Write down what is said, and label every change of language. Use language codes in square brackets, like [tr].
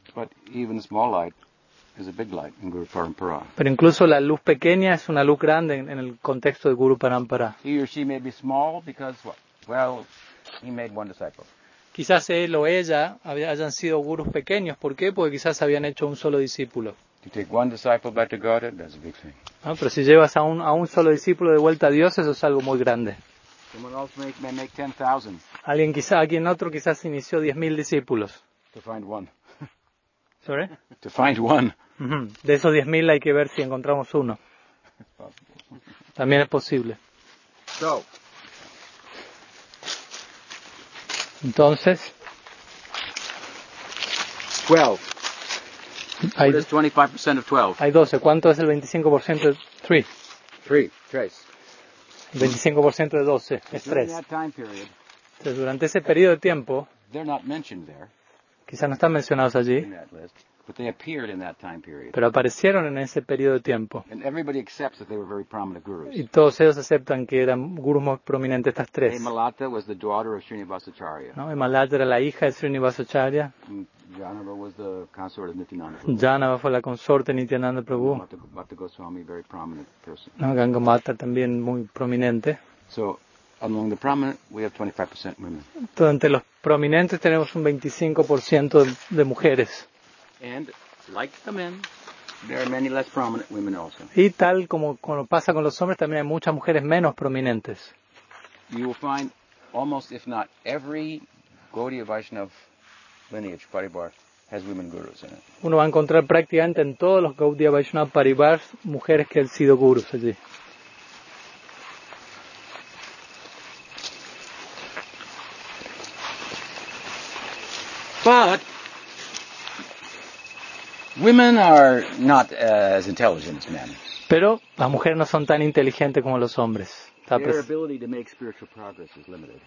[en] But even small light is a big light in Guru Parampara. [es] Pero incluso la luz pequeña es una luz grande en el contexto de Guru Parampara. [en] He or she may be small because, well, he made one disciple. [es] Quizás él o ella hayan sido gurus pequeños. ¿Por qué? Porque quizás habían hecho un solo discípulo. [en] You take one disciple back to God, that's a big thing. [es] No, pero si llevas a un solo discípulo de vuelta a Dios, eso es algo muy grande. [en] Someone else may make 10,000. [es] Alguien quizá, alguien otro quizás inició 10,000 discípulos. [en] To find one. Sorry? To find one. [es] Mm-hmm. De esos 10,000 hay que ver si encontramos uno. También es posible. [en] So. [es] Entonces. [en] 12. What is 25% of 12? [es] Hay 12. ¿Cuánto es el 25% de 3? [en] 3, 3. [es] 25% de 12 es 3. [en] During that time period, [es] entonces, durante ese periodo de tiempo, [en] they're not mentioned there, [es] quizás no están mencionados allí, [en] in that list, but they appeared in that time period. [es] Pero aparecieron en ese periodo de tiempo. [en] And everybody accepts that they were very prominent gurus. [es] Y todos ellos aceptan que eran gurus más prominentes, estas tres. [en] Himalata was the daughter of Srinivasacharya. [es] ¿No? Himalata era la hija de Srinivasacharya. [en] Janava was the consort of Nityananda [es] Prabhu. Janava fue la consorte de Nityananda Prabhu. [en] Bhakta Goswami, very prominent person. [es] No, Gangamata también muy prominente. [en] So, among the prominent, we have 25% women. [es] Entonces, entre los prominentes tenemos un 25% de mujeres. [en] And like the men, there are many less prominent women also. [es] Y tal como pasa con los hombres, también hay muchas mujeres menos prominentes. [en] You will find almost, if not every Gaudiya Vaishnav lineage, Paribar, has women gurus in it. [es] Uno va a encontrar prácticamente en todos los Gaudiya Vaishnav Paribars mujeres que han sido gurus allí. [en] But women are not as intelligent as men. [es] Pero las mujeres no son tan inteligentes como los hombres. [en] Their ability to make spiritual progress is limited.